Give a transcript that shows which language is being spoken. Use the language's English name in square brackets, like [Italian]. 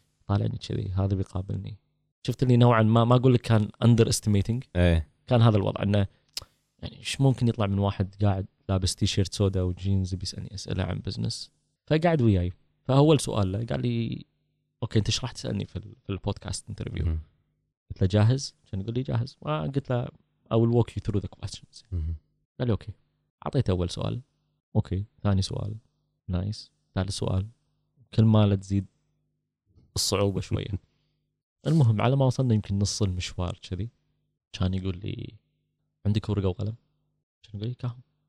[Arabic] طالعني كذي هذا بيقابلني، شفت اني نوعا ما اقول لك كان اندر استيميتنج. كان هذا الوضع انه يعني ايش ممكن يطلع من واحد قاعد لابس تيشيرت سودا وجينز بيسالني اسئله عن بزنس. فقعد وياي، فاول سؤال له قال لي اوكي انت ايش راح تسالني في البودكاست انترفيو؟ قلت له جاهز؟ كان يقول لي جاهز. قلت له [English] I will walk you through the questions. [Arabic] قال لي اوكي. اعطيته اول سؤال، اوكي، ثاني سؤال، نايس، ثالث سؤال، كل ما تزيد الصعوبه شويه. المهم على ما وصلنا يمكن نص المشوار كذي، كان يقول لي عندك ورقه وقلم؟ كان يقول لي كاهم.